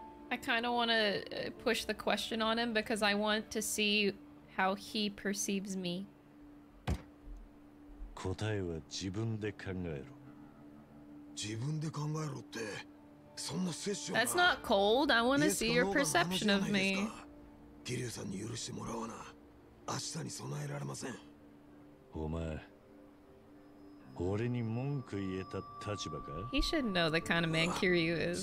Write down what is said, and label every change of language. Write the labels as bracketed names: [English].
[English] I kind of want to push the question on him because I want to see how he perceives me. [Japanese] 答えは自分で考えろ。自分で考えろって、そんなセッション。 [English] That's not cold. I want to see your perception of me. [Japanese] キリュウさんに許してもらわな、明日に備えられません。お前、俺に文句言えた立場か。 [English] He should know the kind of man Kiryu is.